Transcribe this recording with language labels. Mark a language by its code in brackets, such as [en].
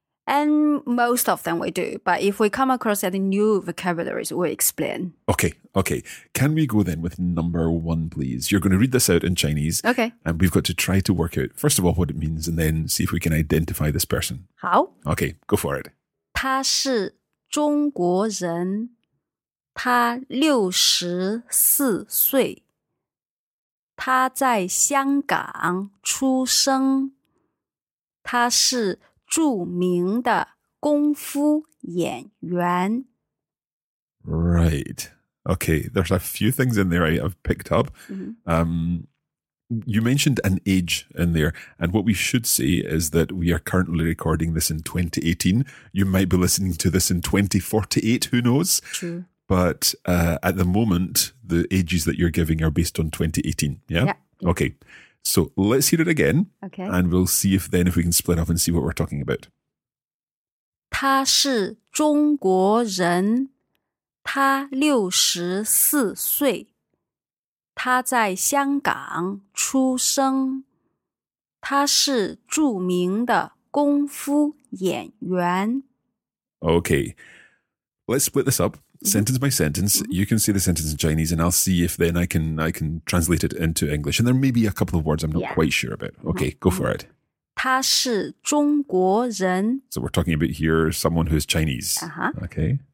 [en] And most of them we do, but if we come across any new vocabularies, we'll explain. Okay, okay. Can we go then with number one, please? You're going to read this out in Chinese. Okay. And we've got to try to work out, first of all, what it means, and then see if we can identify this person. How? Okay, go for it. [zh] 他是中国人, 他64岁, 他在香港出生, 他是 著名的功夫演员. [en] Right. Okay. There's a few things in there I've picked up. You mentioned an age in there. And what we should say is that we are currently recording this in 2018. You might be listening to this in 2048. Who knows? True. But at the moment, the ages that you're giving are based on 2018. Yeah. Okay. So let's hear it again. Okay. And we'll see if then if we can split up and see what we're talking about. [zh] 他是中国人, 他64岁, 他在香港出生, 他是著名的功夫演员. [en] Okay. Let's split this up. Sentence by sentence, you can say the sentence in Chinese, and I'll see if then I can translate it into English. And there may be a couple of words I'm not quite sure about. Okay, go for it. [zh] 他是中国人. [en] So we're talking about here someone who is Chinese. Okay.